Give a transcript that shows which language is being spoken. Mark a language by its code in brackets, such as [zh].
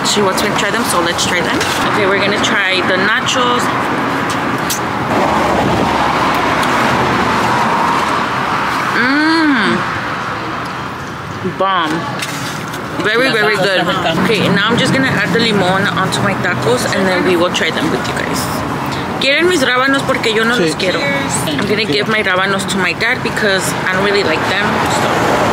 [en] She wants me to try them, so let's try them. Okay, we're gonna try the nachos. Bomb. Very good. Okay, now I'm just gonna add the limon onto my tacos and then we will try them with you guys. [es] Quieren mis rábanos porque yo no los quiero. [en] I'm gonna give my rábanos to my dad because I don't really like them. So.